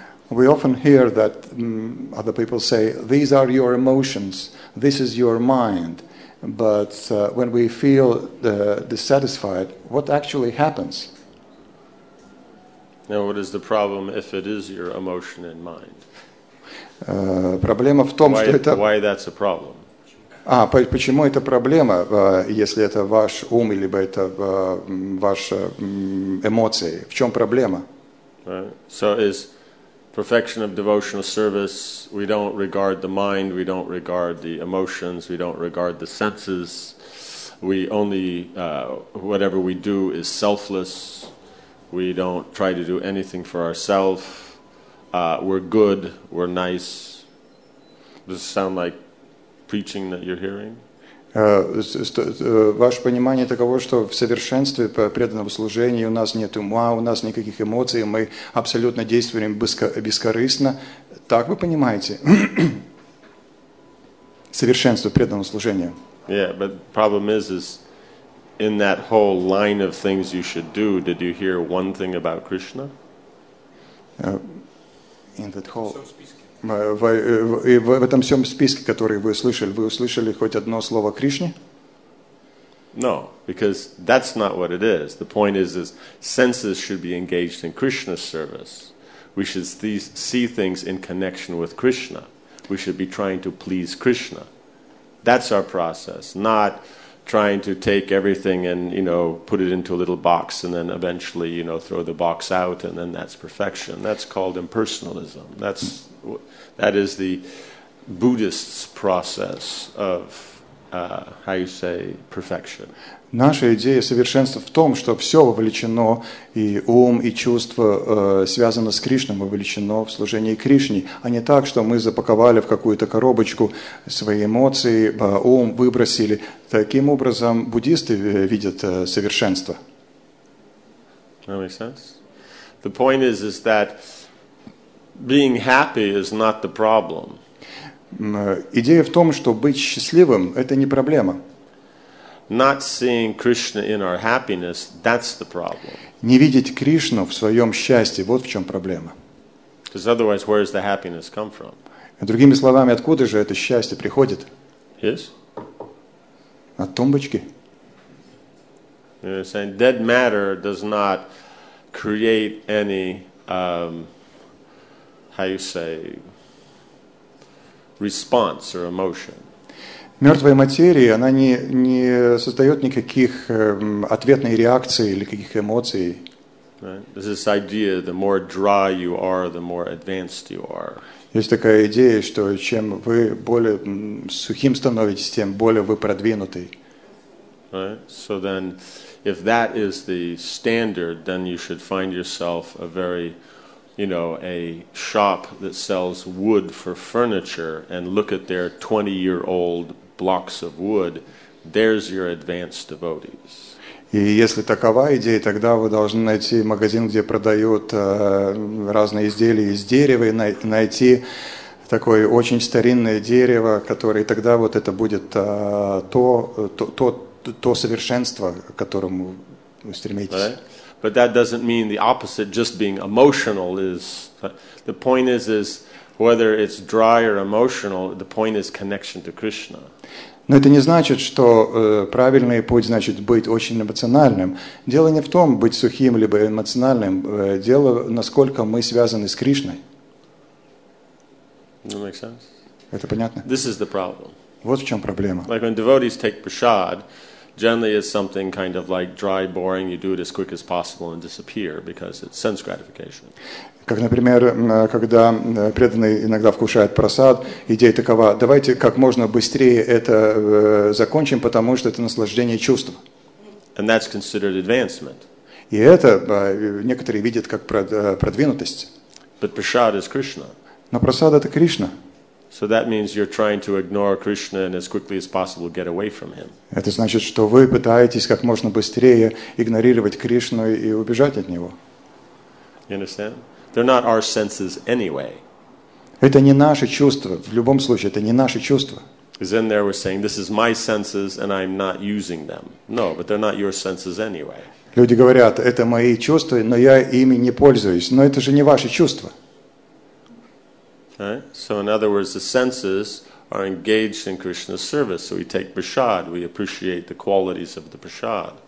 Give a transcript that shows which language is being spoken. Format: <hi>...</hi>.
<en>We often hear that other people say, these are your emotions, this is your mind. But when we feel dissatisfied, what actually happens? Now what is the problem if it is your emotion and mind?</en> <ru>Проблема в том, что это...</ru> <en>Why that's a problem?</en> <ru>А почему это проблема, если это ваш ум или это ваши эмоции? В чем проблема?</ru> <en>Right. So is perfection of devotional service, we don't regard the mind, we don't regard the emotions, we don't regard the senses, we only, whatever we do is selfless, we don't try to do anything for ourselves, we're good, we're nice. Does it sound like preaching that you're hearing?</en> <ru>Ваше понимание таково, что в совершенстве преданного служения у нас нет ума, у нас никаких эмоций, мы абсолютно действуем бескорыстно. Так вы понимаете? Совершенство преданного служения.</ru> <en>Yeah, but problem is in that whole line of things you should do, did you hear one thing about Krishna? In that whole...</en> <ru>И в этом всем списке, который вы услышали хоть одно слово Кришне?</ru> <en>No, because that's not what it is. The point is senses should be engaged in Krishna's service. We should see things in connection with Krishna. We should be trying to please Krishna. That's our process, not trying to take everything and, you know, put it into a little box and then eventually, you know, throw the box out and then that's perfection. That's called impersonalism. That is the Buddhist's process of how you say, perfection.</en> <ru>Наша идея совершенства в том, что все вовлечено, и ум, и чувство, связано с Кришной, вовлечено в служение Кришне, а не так, что мы запаковали в какую-то коробочку свои эмоции, ум выбросили. Таким образом, буддисты видят совершенство.</ru> <en>That makes sense. The point is that being happy is not the problem.</en> <ru>Идея в том, что быть счастливым – это не проблема.</ru> <en>Not seeing Krishna in our happiness, that's the problem.</en> <ru>Не видеть Кришну в своем счастье – вот в чем проблема.</ru> <en>Because otherwise, where does the happiness come from?</en> <ru>Другими словами, откуда же это счастье приходит?</ru> <en>Yes.</en> <ru>От тумбочки.</ru> <en>You know, saying dead matter does not create any, how you say, response or emotion.</en> <ru>Мертвая материя, она не создает никаких ответной реакции или каких эмоций.</ru> <en>Right. This idea: the more dry you are, the more advanced you are.</en> <ru>Есть такая идея, что чем вы более сухим становитесь, тем более вы продвинутый.</ru> <en>Right. So then, if that is the standard, then you should find yourself a very, you know, a shop that sells wood for furniture and look at their 20-year-old blocks of wood. There's your advanced devotees.</en> <ru>И если такова идея, тогда вы должны найти магазин, где продают разные изделия из дерева, и найти такое очень старинное дерево, которое тогда вот это будет то совершенство, к которому вы стремитесь.</ru> <en>Right? But that doesn't mean the opposite, just being emotional is... The point is whether it's dry or emotional, the point is connection to Krishna.</en> <ru>Но это не значит, что правильный путь значит быть очень эмоциональным. Дело не в том, быть сухим либо эмоциональным. Дело, насколько мы связаны с Кришной.</ru> <en>That makes sense?</en> <ru>Это понятно?</ru> <en>This is the problem.</en> <ru>Вот в чем проблема.</ru> <en>Like when devotees take prasad, generally it's something kind of like dry, boring, you do it as quick as possible and disappear because it's sense gratification.</en> <ru>Как, например, когда преданный иногда вкушает просад, идея такова: давайте как можно быстрее это закончим, потому что это наслаждение чувств.</ru> <en>And that's considered advancement.</en> <ru>И это некоторые видят как продвинутость.</ru> <en>But prasad is Krishna.</en> <ru>Но просад это Кришна.</ru> <en>So that means you're trying to ignore Krishna and as quickly as possible get away from him.</en> <ru>Это значит, что вы пытаетесь как можно быстрее игнорировать Кришну и убежать от него.</ru> <en>You understand? They're not our senses anyway.</en> <ru>Это не наши чувства. В любом случае, это не наши чувства.</ru> <en>Zen there was saying, this is my senses and I'm not using them. No, but they're not your senses anyway.</en> <ru>Люди говорят, это мои чувства, но я ими не пользуюсь. Но это же не ваши чувства.</ru> <en>Right? So in other words, the senses are engaged in Krishna's service. So we take prasad, we appreciate the qualities of the prasad.</en>